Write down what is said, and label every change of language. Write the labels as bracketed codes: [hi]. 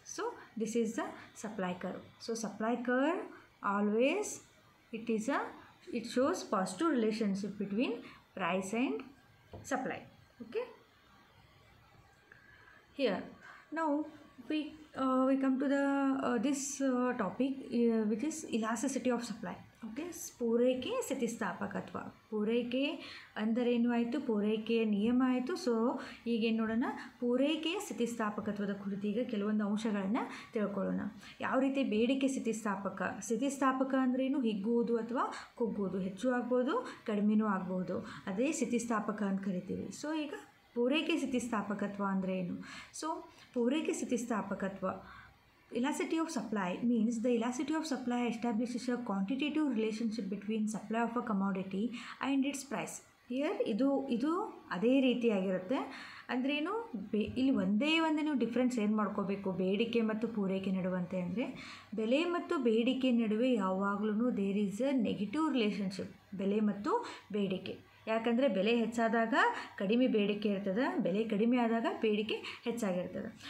[en] So this is the supply curve. So supply curve always, it shows positive relationship between price and supply. Okay, here now we come to the topic which is elasticity of supply. [kn] Okay, ಪೂರೈಕೆ ಸ್ಥಿತಿಸ್ಥಾಪಕತ್ವ. ಪೂರೈಕೆ ಅಂದರೆ ಏನು ಆಯಿತು, ಪೂರೈಕೆಯ ನಿಯಮ ಆಯಿತು. So ಈಗೇನು ನೋಡೋಣ, ಪೂರೈಕೆಯ ಸ್ಥಿತಿಸ್ಥಾಪಕತ್ವದ ಕುರಿತು ಈಗ ಕೆಲವೊಂದು ಅಂಶಗಳನ್ನು ತಿಳ್ಕೊಳ್ಳೋಣ. ಯಾವ ರೀತಿ ಬೇಡಿಕೆ ಸ್ಥಿತಿಸ್ಥಾಪಕ, ಸ್ಥಿತಿಸ್ಥಾಪಕ ಅಂದರೆ ಏನು, ಹಿಗ್ಗುವುದು ಅಥವಾ ಕುಗ್ಗುವುದು, ಹೆಚ್ಚು ಆಗ್ಬೋದು ಕಡಿಮೆನೂ ಆಗ್ಬೋದು, ಅದೇ ಸ್ಥಿತಿಸ್ಥಾಪಕ ಅಂತ ಕರಿತೀವಿ. ಸೊ ಈಗ ಪೂರೈಕೆ ಸ್ಥಿತಿಸ್ಥಾಪಕತ್ವ ಅಂದರೆ ಏನು? [en] so [kn] ಪೂರೈಕೆ ಸ್ಥಿತಿಸ್ಥಾಪಕತ್ವ, [en] elasticity of supply means the elasticity of supply establishes a quantitative relationship between supply of a commodity and its price. [kn] Here ಇದು ಅದೇ ರೀತಿಯಾಗಿರುತ್ತೆ. ಅಂದರೆ ಏನು, ಇಲ್ಲಿ ಒಂದೇ ನೀವು ಡಿಫ್ರೆನ್ಸ್ ಏನು ಮಾಡ್ಕೋಬೇಕು ಬೇಡಿಕೆ ಮತ್ತು ಪೂರೈಕೆ ನಡುವಂತೆ, ಅಂದರೆ ಬೆಲೆ ಮತ್ತು ಬೇಡಿಕೆ ನಡುವೆ ಯಾವಾಗಲೂ [en] there is a negative relationship [kn] ಬೆಲೆ ಮತ್ತು ಬೇಡಿಕೆ. ಯಾಕಂದರೆ ಬೆಲೆ ಹೆಚ್ಚಾದಾಗ ಕಡಿಮೆ ಬೇಡಿಕೆ ಇರ್ತದೆ, ಬೆಲೆ ಕಡಿಮೆ ಆದಾಗ ಬೇಡಿಕೆ ಹೆಚ್ಚಾಗಿರ್ತದೆ.